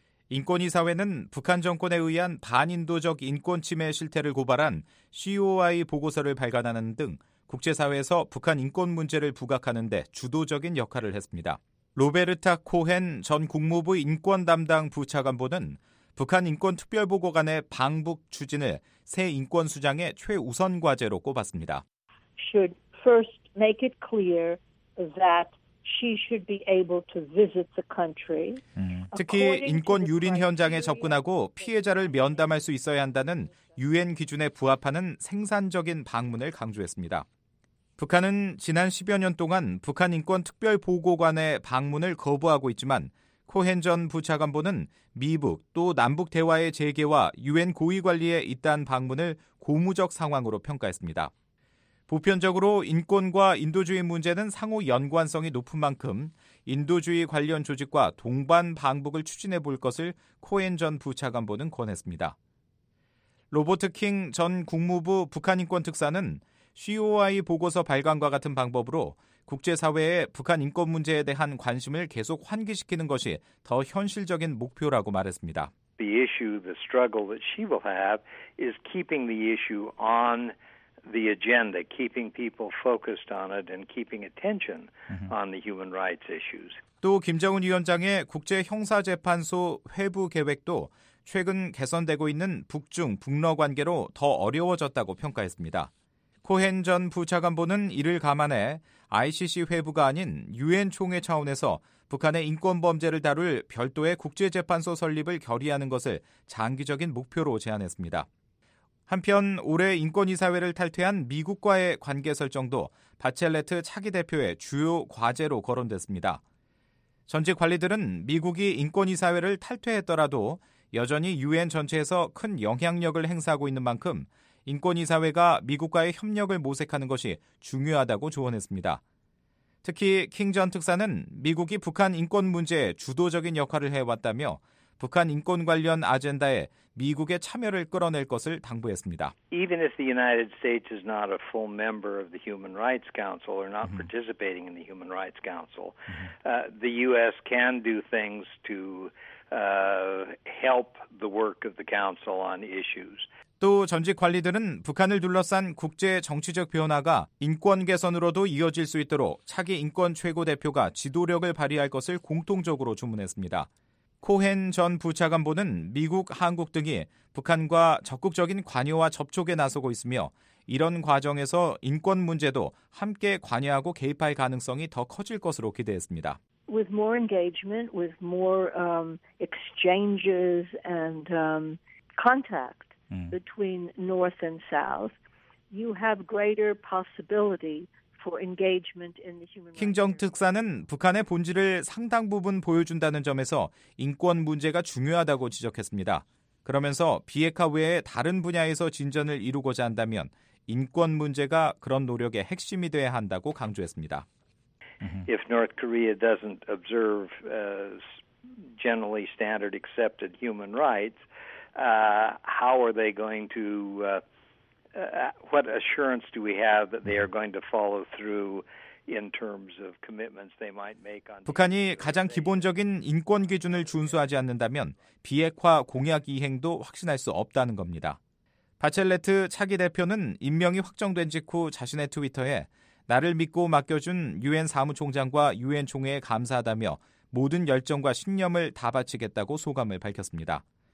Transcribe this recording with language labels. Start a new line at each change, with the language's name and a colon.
Korean: 인권이사회는 북한 정권에 의한 반인도적 인권침해 실태를 고발한 COI 보고서를 발간하는 등 국제사회에서 북한 인권 문제를 부각하는 데 주도적인 역할을 했습니다. 로베르타 코헨 전 국무부 인권담당 부차관보는 북한 인권특별보고관의 방북 추진을 새 인권수장의 최우선 과제로 꼽았습니다.
English: Should first make it clear that she should be able to visit the country.
Korean: 특히 인권 유린 현장에 접근하고 피해자를 면담할 수 있어야 한다는 유엔 기준에 부합하는 생산적인 방문을 강조했습니다. 북한은 지난 10여 년 동안 북한 인권 특별 보고관의 방문을 거부하고 있지만 코헨 전 부차관보는 미북 또 남북 대화의 재개와 유엔 고위 관리에 잇단 방문을 고무적 상황으로 평가했습니다. 보편적으로 인권과 인도주의 문제는 상호 연관성이 높은 만큼 인도주의 관련 조직과 동반 방북을 추진해 볼 것을 코헨 전 부차관보는 권했습니다. 로버트 킹 전 국무부 북한인권특사는 COI 보고서 발간과 같은 방법으로 국제사회에 북한 인권 문제에 대한 관심을 계속 환기시키는 것이 더 현실적인 목표라고 말했습니다.
English: The issue, the struggle that she will have is keeping the issue on the agenda, keeping people focused on it and keeping attention on the human rights issues.
Korean: 또 김정은 위원장의 국제형사재판소 회부 계획도 최근 개선되고 있는 북중 북러 관계로 더 어려워졌다고 평가했습니다. 코헨 전 부차관보는 이를 감안해 ICC 회부가 아닌 유엔 총회 차원에서 북한의 인권 범죄를 다룰 별도의 국제재판소 설립을 결의하는 것을 장기적인 목표로 제안했습니다. 한편 올해 인권이사회를 탈퇴한 미국과의 관계 설정도 바첼레트 차기 대표의 주요 과제로 거론됐습니다. 전직 관리들은 미국이 인권이사회를 탈퇴했더라도 여전히 유엔 전체에서 큰 영향력을 행사하고 있는 만큼 인권이사회가 미국과의 협력을 모색하는 것이 중요하다고 조언했습니다. 특히 킹 전 특사는 미국이 북한 인권 문제에 주도적인 역할을 해왔다며 북한 인권 관련 아젠다에 미국의 참여를 끌어낼 것을 당부했습니다.
English: Even if the United States is not a full member of the Human Rights Council or not participating in the Human Rights Council, the U.S. can do things to help the work of the Council on issues.
Korean: 또 전직 관리들은 북한을 둘러싼 국제 정치적 변화가 인권 개선으로도 이어질 수 있도록 차기 인권 최고 대표가 지도력을 발휘할 것을 공통적으로 주문했습니다. 코헨 전 부차관보는 미국, 한국 등이 북한과 적극적인 관여와 접촉에 나서고 있으며 이런 과정에서 인권 문제도 함께 관여하고 개입할 가능성이 더 커질 것으로 기대했습니다.
English: With more engagement, with more exchanges and contact between North and South, you have greater possibility for engagement in the human.
Korean: 킹정 특사는 북한의 본질을 상당 부분 보여준다는 점에서 인권 문제가 중요하다고 지적했습니다. 그러면서 비핵화 외에 다른 분야에서 진전을 이루고자 한다면 인권 문제가 그런 노력의 핵심이 돼야 한다고 강조했습니다.
English: If North Korea doesn't observe generally standard accepted human rights, how are they going to what assurance do we have that they are going to follow through in terms of commitments they might make on
Korean: 북한이 가장 기본적인 인권 기준을 준수하지 않는다면 비핵화 공약 이행도 확신할 수 없다는 겁니다. 바첼레트 차기 대표는 임명이 확정된 직후 자신의 트위터에 나를 믿고 맡겨준 유엔 사무총장과 유엔 총회에 감사하다며 모든 열정과 신념을 다 바치겠다고 소감을 밝혔습니다.